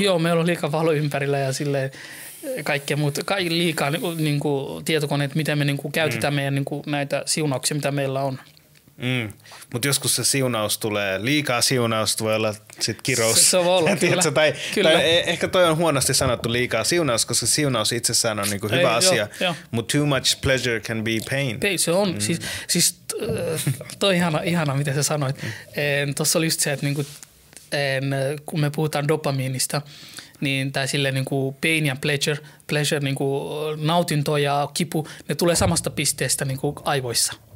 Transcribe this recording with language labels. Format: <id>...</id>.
<fi>Joo, meillä on liikaa valoa ympärillä ja silleen. Kaikkea muuta, liikaa niin kuin tietokoneet, miten me niin kuin käytetään meidän niin kuin näitä siunauksia, mitä meillä on. Mutta joskus se siunaus tulee, liikaa siunausta voi olla sitten kirous. Se voi olla, kyllä. Tai ehkä toi on huonosti sanottu liikaa siunaus, koska siunaus itsessään on niinku hyvä asia. Mutta</fi> <en>too much pleasure can be pain.</en> <fi>Se on. Siis toi ihana, mitä sä sanoit. Tuossa oli just se, että niinku, kun me puhutaan dopamiinista, niin tää silleen niinku pain ja pleasure niinku nautinto ja kipu, ne tulee samasta pisteestä niinku aivoissa.</fi>